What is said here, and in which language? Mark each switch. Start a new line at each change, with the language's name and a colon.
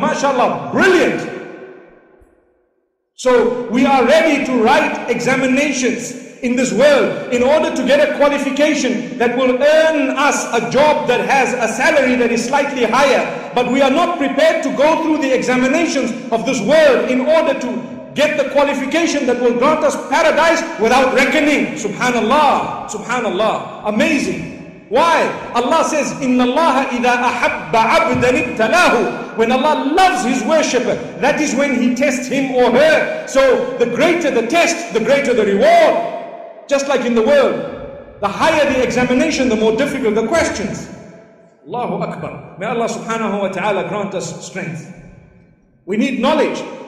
English: Mashallah, brilliant. So we are ready to write examinations in this world in order to get a qualification that will earn us a job that has a salary that is slightly higher. But we are not prepared to go through the examinations of this world in order to get the qualification that will grant us paradise without reckoning. Subhanallah, subhanallah, amazing. Why? Allah says,
Arabic: إِنَّ اللَّهَ إِذَا أَحَبَّ عَبْدًا ابْتَلَاهُ.
English: When Allah loves His worshipper, that is when He tests him or her. So the greater the test, the greater the reward. Just like in the world, the higher the examination, the more difficult the questions. Allahu Akbar. May Allah subhanahu wa ta'ala grant us strength. We need knowledge.